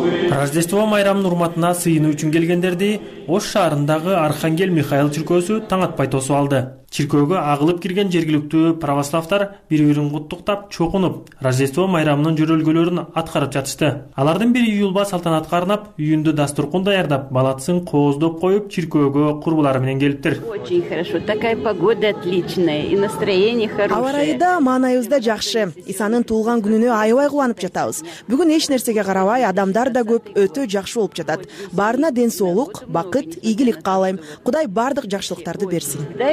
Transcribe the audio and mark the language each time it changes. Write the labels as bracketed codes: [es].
[ky] Рождество майрамын урматына сыйынуу үчүн келгендерди Ош шаарындагы Архангел Михаил чиркөөсү таң атпай тосуп алды. Чиркөөгө агылып кирген жергиликтүү православтар бири-бирин куттуктап, чокунуп, Рождество майрамынын жүрүлгүлөрүн аткарып жатышты. Алардын бири уюлба салтанатка арнап, үйүндө дастуркун даярдап, балатсын кооздоп коюп, чиркөөгө курбулары менен келиптир. [ru] Очень хорошо. Такая погода отличная, и настроение хорошее. [ky] Аба ырайы да, маанайыбыз да жакшы. Исанын туулган күнүнө аябай кубанып жатабыз. Бүгүн эч нерсеге карабай, адамдар да көп, өтө жакшы болуп жатат. Баарына ден соолук, бакыт, ийгилик каалайм. Кудай бардык жакшылыктарды берсин.